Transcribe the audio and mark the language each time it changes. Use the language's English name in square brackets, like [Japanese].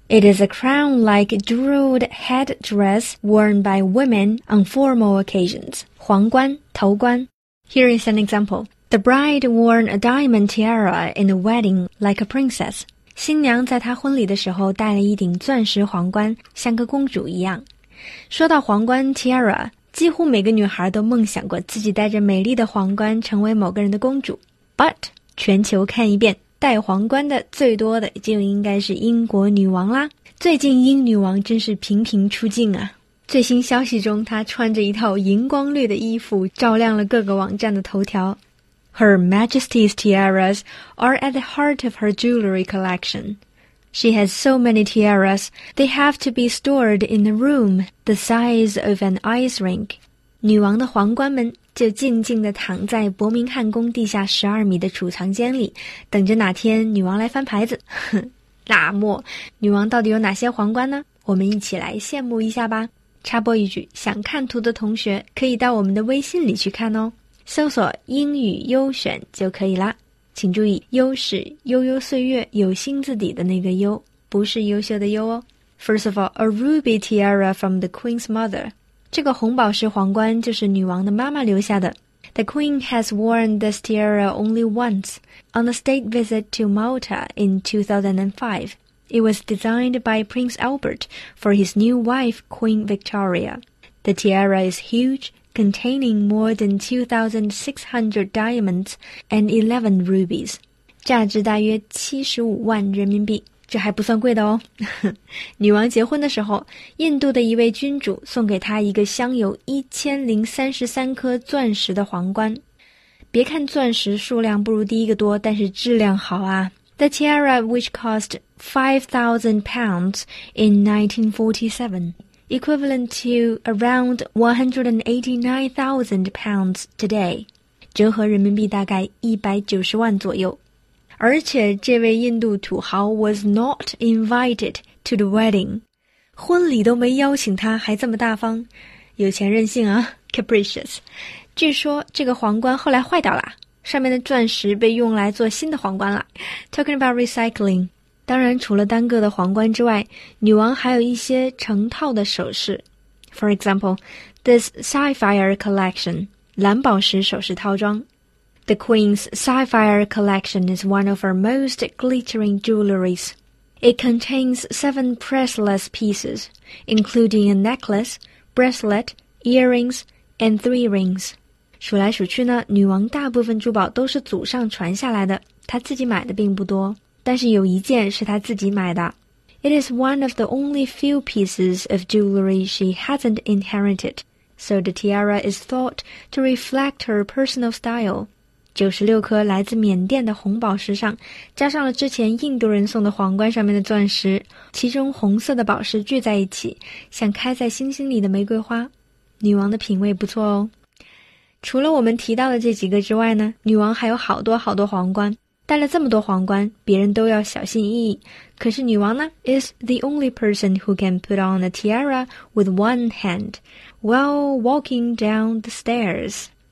[English] It is a crown-like jeweled headdress worn by women on formal occasions. [Chinese] 皇冠,头冠. [English] Here is an example. The bride wore a diamond tiara in the wedding like a princess. [Chinese] 新娘在她婚礼的时候戴了一顶钻石皇冠,像个公主一样。说到皇冠 tiara, 几乎每个女孩都梦想过自己戴着美丽的皇冠成为某个人的公主。 But, 全球看一遍。戴皇冠的最多的就应该是英国女王啦。最近英女王真是频频出镜啊。最新消息中，她穿着一套荧光绿的衣服，照亮了各个网站的头条。 [English] Her Majesty's tiaras are at the heart of her jewelry collection. She has so many tiaras, they have to be stored in a room the size of an ice rink. [Chinese] 女王的皇冠们就静静地躺在伯明翰宫地下12米的储藏间里，等着哪天女王来翻牌子。那么女王到底有哪些皇冠呢？我们一起来羡慕一下吧。插播一句，想看图的同学可以到我们的微信里去看哦，搜索英语优选就可以啦。请注意，优是悠悠岁月有心字底的那个优，不是优秀的优哦。 [English] First of all, a ruby tiara from the queen's mother. [Chinese] 这个红宝石皇冠就是女王的妈妈留下的。 [English] The Queen has worn this tiara only once, on a state visit to Malta in 2005. It was designed by Prince Albert for his new wife, Queen Victoria. The tiara is huge, containing more than 2,600 diamonds and 11 rubies. [Chinese] 价值大约75万人民币。这还不算贵的哦。女王结婚的时候，印度的一位君主送给她一个镶有1033颗钻石的皇冠。别看钻石数量不如第一个多，但是质量好啊。 [English] The tiara which cost £5,000 in 1947, equivalent to around £189,000 today. [Chinese] 折合人民币大概190万左右。而且这位印度土豪 [English] was not invited to the wedding. [Chinese] 婚礼都没邀请他，还这么大方。有钱任性啊， capricious. 据说这个皇冠后来坏掉了，上面的钻石被用来做新的皇冠了。 [English] Talking about recycling. [Chinese] 当然除了单个的皇冠之外，女王还有一些成套的首饰。 [English] For example, this sapphire collection, [Chinese] 蓝宝石首饰套装。 [English] The Queen's sapphire collection is one of her most glittering jewelries. It contains 7 priceless pieces, including a necklace, bracelet, earrings, and 3 rings. [Chinese] 数来数去呢，女王大部分珠宝都是祖上传下来的，她自己买的并不多，但是有一件是她自己买的。 [English] It is one of the only few pieces of jewelry she hasn't inherited, so the tiara is thought to reflect her personal style. [Chinese] 96颗来自缅甸的红宝石上加上了之前印度人送的皇冠上面的钻石，其中红色的宝石聚在一起，像开在星星里的玫瑰花。女王的品味不错哦。除了我们提到的这几个之外呢，女王还有好多好多皇冠，戴了这么多皇冠，别人都要小心翼翼，可是女王呢 [English] is the only person who can put on a tiara with one hand while walking down the stairs.